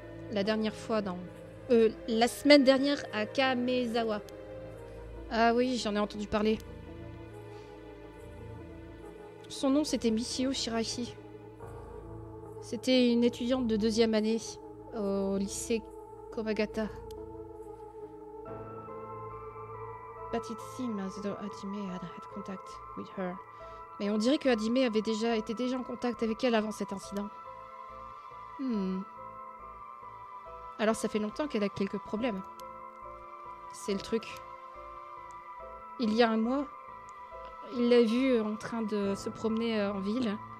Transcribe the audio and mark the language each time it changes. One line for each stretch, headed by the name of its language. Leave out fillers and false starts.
French: La dernière fois, la semaine dernière à Kamezawa. Ah oui, j'en ai entendu parler. Son nom, c'était Michio Shirashi. C'était une étudiante de deuxième année au lycée Komagata.
English: But it seemed as though Adime had contact with her.
French: Mais on dirait que Adime avait déjà été en contact avec elle avant cet incident. Alors ça fait longtemps qu'elle a quelques problèmes. C'est le truc. Il y a un mois, il l'a vue en train de se promener en ville.